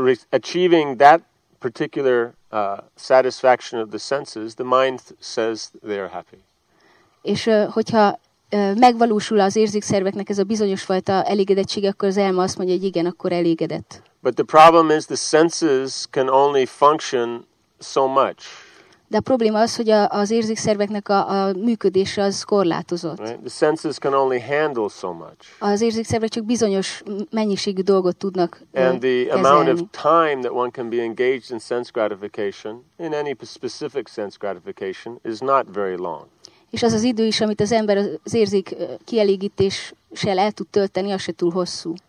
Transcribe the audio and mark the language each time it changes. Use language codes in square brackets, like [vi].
[en] Achieving that particular satisfaction of the senses, the mind says they are happy. [hu] És hogyha megvalósul az érzékszerveknek ez a bizonyos fajta elégedettség, akkor az elme azt mondja, hogy igen, akkor elégedett. [en] But the problem is the senses can only function so much. [hu] De a probléma az, hogy az érzékszerveknek a működése az korlátozott. [en] Right? The senses can only handle so much. [hu] Az érzékszervek csak bizonyos mennyiségű dolgot tudnak kezelni. [en] And the amount of time that one can be engaged in sense gratification, in any specific sense gratification, is not very long. [hu] És az az idő is, amit az ember az érzék kielégítéssel el tud tölteni, az se túl hosszú.